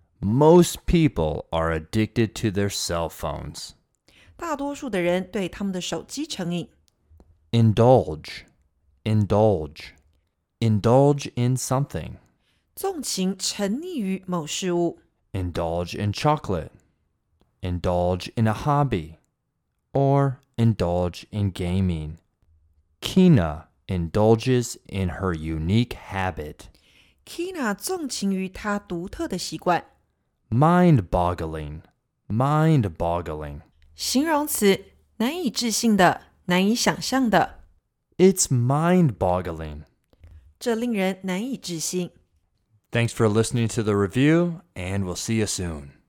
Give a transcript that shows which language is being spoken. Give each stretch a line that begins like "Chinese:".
English: Most people are addicted to their cell phones.
Chinese: 大多数的人对他们的手机成瘾。
English: Indulge. Indulge. Indulge in something.
Chinese: 纵情沉溺于某事物。
English: Indulge in chocolate. Indulge in a hobby. Or indulge in gaming. Kina indulges in her unique habit.
Chinese: Kina 纵情于她独特的习惯。
English: Mind-boggling. Mind-boggling.
Chinese: 形容词难以置信的，难以想象的。
English: It's mind-boggling.
Chinese: 这令人难以置信。
English: Thanks for listening to the review, and we'll see you soon.